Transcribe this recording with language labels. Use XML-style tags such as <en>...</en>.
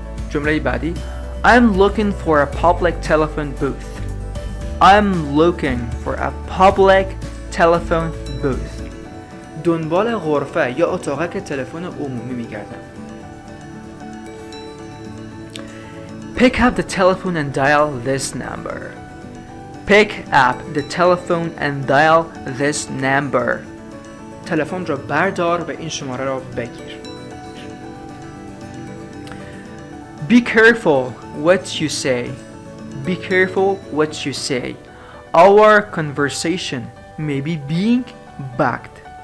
<fa>جمله بعدی.</fa> <en>I'm looking for a public telephone booth. I'm looking for a public telephone booth.</en> <fa>دنبال غرفه یا اتاق تلفن عمومی می‌گردم.</fa> <en>Pick up the telephone and dial this number. Pick up the telephone and dial this number.</en> <fa>تلفن را بردار و این شماره را بگیر.</fa> <en>Be careful what you say. Be careful what you say. Our conversation may be being bugged.</en>